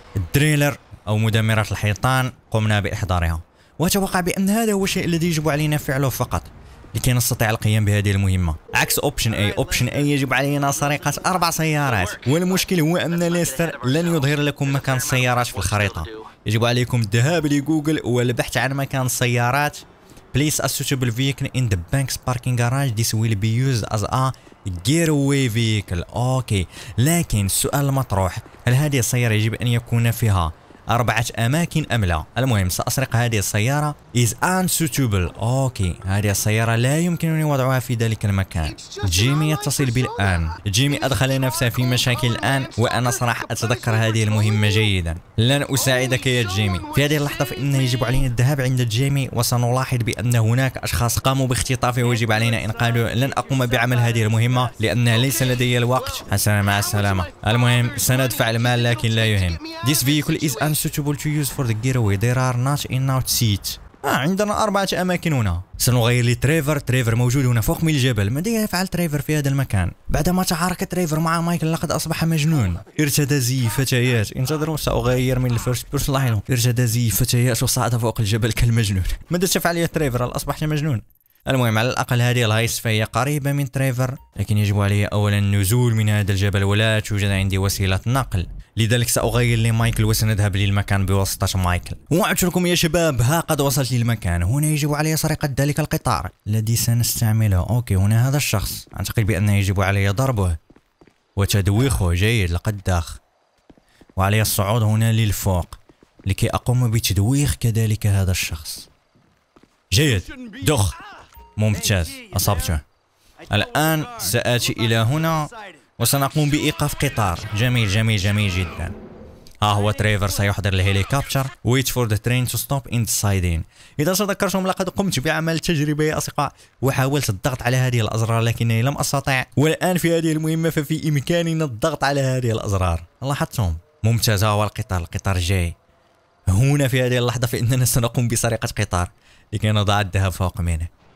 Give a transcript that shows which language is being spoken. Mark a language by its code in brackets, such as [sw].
[ar] الدريلر او مدمرات الحيطان قمنا باحضارها، وتوقع بان هذا هو الشيء الذي يجب علينا فعله فقط لكي نستطيع القيام بهذه المهمة. عكس اوبشن اي، اوبشن اي يجب علينا سرقة 4 سيارات، والمشكل هو ان ليستر لن يظهر لكم مكان السيارات في الخريطة. يجب عليكم الذهاب لجوجل والبحث عن مكان السيارات. [en] Place a suitable vehicle in the bank's parking garage. This will be used as a getaway vehicle. [ar] اوكي، لكن السؤال المطروح، هل هذه السيارة يجب ان يكون فيها 4 اماكن ام لا؟ المهم ساسرق هذه السيارة. [en] Is unsuitable. [ar] اوكي، هذه السيارة لا يمكنني وضعها في ذلك المكان. جيمي يتصل بي الان. جيمي ادخل نفسه في مشاكل الان، وانا صراحة اتذكر هذه المهمة جيدا. لن اساعدك يا جيمي. في هذه اللحظة فانه يجب علينا الذهاب عند جيمي، وسنلاحظ بان هناك اشخاص قاموا باختطافه ويجب علينا انقاذه. لن اقوم بعمل هذه المهمة لان ليس لدي الوقت. حسنا، مع السلامة. المهم سندفع المال لكن لا يهم. [en] This vehicle is unsuitable to use for the getaway. There are not enough seats. [ar] عندنا 4 اماكن هنا. سنغير لتريفر. تريفر موجود هنا فوق من الجبل. ماذا يفعل تريفر في هذا المكان؟ بعدما تعارك تريفر مع مايكل لقد اصبح مجنون. ارتدى زي فتيات. انتظروا ساغير من الفيرست بيرسون. لاحظوا، ارتدى زي فتيات وصعد فوق الجبل كالمجنون. ماذا تفعل يا تريفر؟ هل اصبحت مجنون؟ المهم على الاقل هذه الهايست فهي قريبه من تريفر، لكن يجب علي اولا النزول من هذا الجبل، ولا توجد عندي وسيله نقل. لذلك سأغير لمايكل وسنذهب للمكان بواسطة مايكل. وعدت لكم يا شباب، ها قد وصلت للمكان. هنا يجب علي سرقة ذلك القطار الذي سنستعمله. اوكي، هنا هذا الشخص، اعتقد بأنه يجب علي ضربه وتدويخه. جيد، لقد داخ، وعلي الصعود هنا للفوق لكي أقوم بتدويخ كذلك هذا الشخص. جيد، دخ، ممتاز، أصبته. الآن سآتي إلى هنا وسنقوم بإيقاف قطار. جميل جميل جميل جدا. ها هو تريفر سيحضر الهليكوبتر. [en] Wait for the train to stop in the siding. [ar] إذا تذكرتم لقد قمت بعمل تجربة يا أصدقاء وحاولت الضغط على هذه الأزرار لكنني لم أستطع، والآن في هذه المهمة ففي إمكاننا الضغط على هذه الأزرار. لاحظتم؟ ممتاز، ها هو القطار، القطار جاي. هنا في هذه اللحظة فإننا سنقوم بسرقة قطار لكي نضع الذهب فوق منه.